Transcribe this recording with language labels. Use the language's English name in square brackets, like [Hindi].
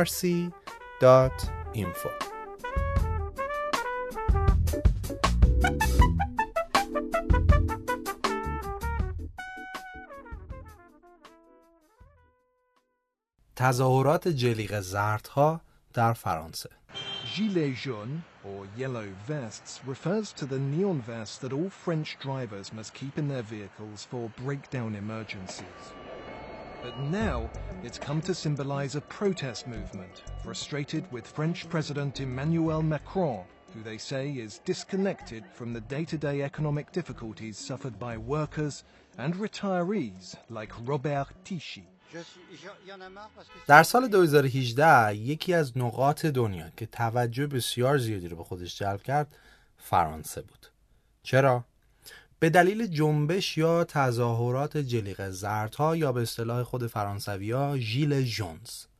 [Persian] emrc.info تظاهرات جلیق زردها در فرانسه. [English] Gilets jaunes or yellow vests refers to the neon vests that all French drivers must keep in their vehicles for breakdown emergencies. But now it's come to symbolize a protest movement frustrated with French President Emmanuel Macron, who they say is disconnected from the day-to-day economic difficulties suffered by workers and retirees like Robert Tichy. [Persian] در سال 2018 یکی از نقاط دنیا که توجه بسیار زیادی رو به خودش جلب کرد فرانسه بود. چرا؟ به دلیل جنبش یا تظاهرات جلیق زردها یا به اصطلاح خود فرانسوی ها ژیل ژونز.